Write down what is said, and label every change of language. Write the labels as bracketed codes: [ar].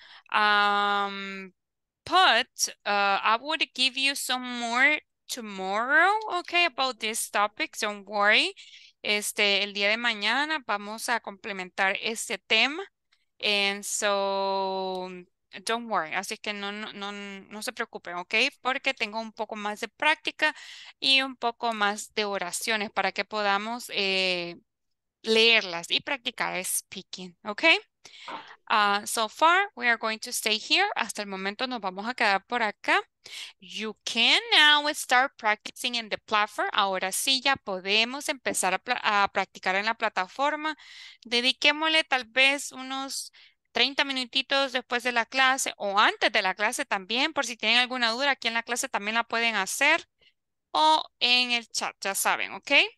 [en] I would give you some more tomorrow, okay, about this topic. Don't worry. [es] El día de mañana vamos a complementar este tema. And so, don't worry, así que no se preocupen, ¿ok? Porque tengo un poco más de práctica y un poco más de oraciones para que podamos leerlas y practicar speaking, ¿ok? [en] So far, we are going to stay here. Hasta el momento nos vamos a quedar por acá. You can now start practicing in the platform. [es] Ahora sí ya podemos empezar a practicar en la plataforma. Dediquémosle tal vez unos 30 minutitos después de la clase o antes de la clase también, por si tienen alguna duda, aquí en la clase también la pueden hacer o en el chat, ya saben, ¿ok?